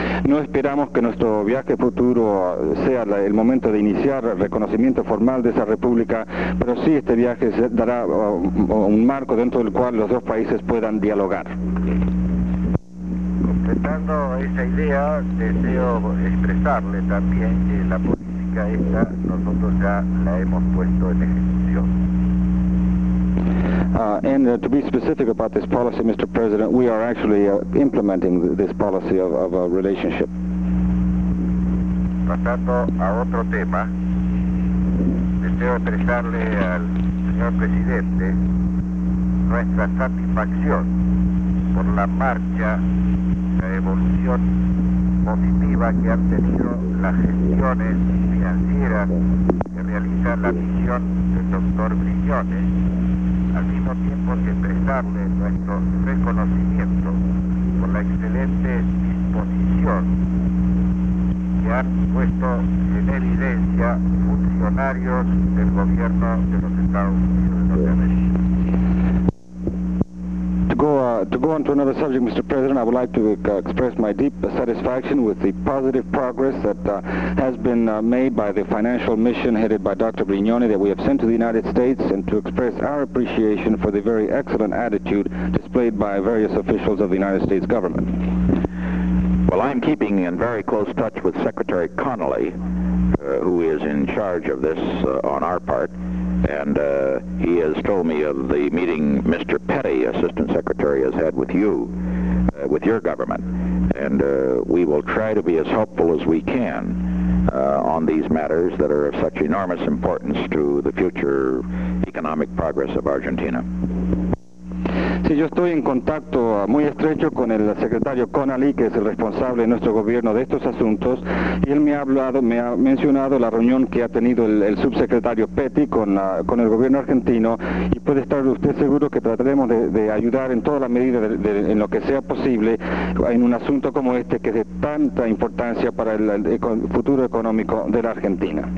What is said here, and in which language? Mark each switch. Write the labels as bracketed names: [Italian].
[Spanish] No esperamos que nuestro viaje futuro sea el momento de iniciar el reconocimiento formal de esa república, pero sí este viaje dará un marco dentro del cual los dos países puedan dialogar. Completando esa idea, deseo expresarle también que la política esta nosotros ya la hemos puesto en ejecución. [English] And to be specific about this policy, Mr. President, we are actually implementing this policy of a relationship. [Spanish] Pasando a otro tema, deseo expresarle al señor presidente nuestra satisfacción por la marcha, la evolución positiva que han tenido las gestiones financieras que realiza la misión del doctor Briones. Al mismo tiempo que expresarle nuestro reconocimiento por la excelente disposición que han puesto en evidencia funcionarios del gobierno de los Estados Unidos de Norteamérica. [English] To go on to another subject, Mr. President, I would like to express my deep satisfaction with the positive progress that has been made by the financial mission headed by Dr. Brignone that we have sent to the United States, and to express our appreciation for the very excellent attitude displayed by various officials of the United States government. Well, I'm keeping in very close touch with Secretary Connolly, who is in charge of this on our part, and he has told me of the meeting Mr. Petty, Assistant Secretary, has had with you, with your government, and we will try to be as helpful as we can on these matters that are of such enormous importance to the future economic progress of Argentina. [Spanish] Sí, yo estoy en contacto muy estrecho con el secretario Connolly, que es el responsable de nuestro gobierno de estos asuntos, y él me ha hablado, me ha mencionado la reunión que ha tenido el subsecretario Petty con el gobierno argentino, y puede estar usted seguro que trataremos de ayudar en toda la medida en lo que sea posible en un asunto como este, que es de tanta importancia para el futuro económico de la Argentina.